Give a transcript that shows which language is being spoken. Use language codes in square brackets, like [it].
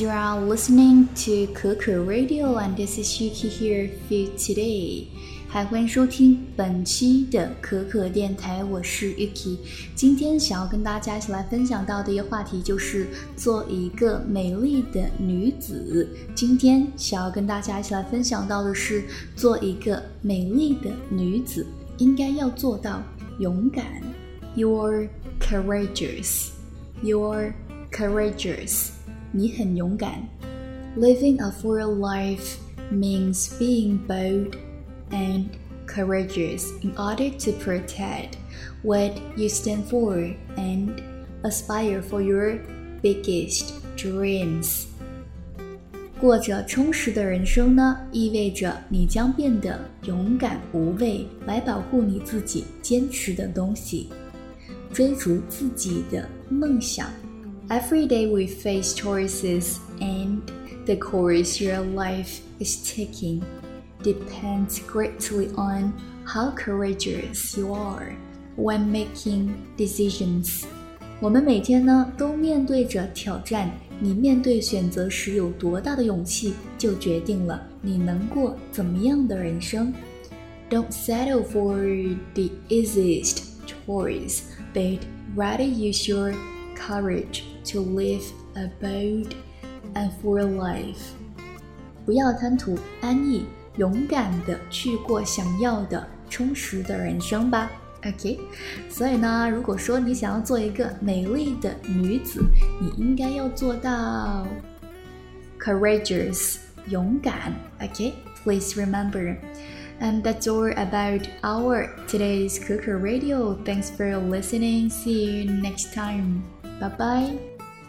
[en] You are listening to Kuku Radio, and this is Yuki here for you today. [zh] 嗨，欢迎收听本期的可可电台，我是 Yuki。今天想要跟大家一起来分享到的一个话题，就是做一个美丽的女子。今天想要跟大家一起来分享到的是做一个美丽的女子，应该要做到勇敢。 [en] You're courageous. You're courageous. [zh] 你很勇敢。 [en] Living a full life means being bold and courageous in order to protect what you stand for and aspire for your biggest dreams. [zh] 过着充实的人生呢，意味着你将变得勇敢无畏，来保护你自己坚持的东西，追逐自己的梦想。 [en] Every day we face choices, and the course your life is taking depends greatly on how courageous you are when making decisions. [zh] 我们每天呢都面对着挑战，你面对选择时有多大的勇气，就决定了你能过怎么样的人生。 [en] Don't settle for the easiest choice, but rather use your courage. To live a bold and full life. [zh] 不要贪图安逸，勇敢地去过想要的充实的人生吧。 OK，所以呢，如果说你想要做一个美丽的女子，你应该要做到 [en] courageous， [zh] 勇敢。OK， [en] please remember. And that's all about our today's Kuku Radio. Thanks for listening. See you next time. Bye bye.